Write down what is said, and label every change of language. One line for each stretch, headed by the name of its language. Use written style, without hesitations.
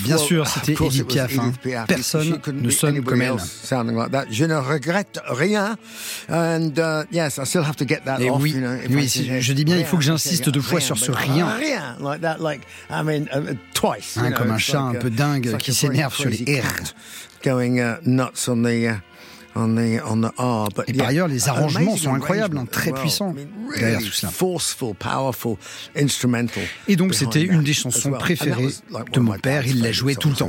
French: Bien sûr, c'était Edith Piaf. Edith Piaf. Personne ne sonne comme elle.
English: Sounding like that.
French: Je ne regrette rien.
English: And yes, I still have to get that
French: et
English: off.
French: Oui,
English: you know,
French: oui, si, je dis bien, il faut que j'insiste deux fois sur ce rien.
English: Rien, like that, like I mean, twice.
French: Hein, comme un chat like un peu dingue like qui s'énerve sur les R.
English: Going nuts on the. On the R, but
French: et par ailleurs, les arrangements sont incroyables, très puissants derrière tout cela.
English: Forceful, powerful, instrumental.
French: Et donc, c'était une des chansons préférées de mon père. Il la jouait tout le temps.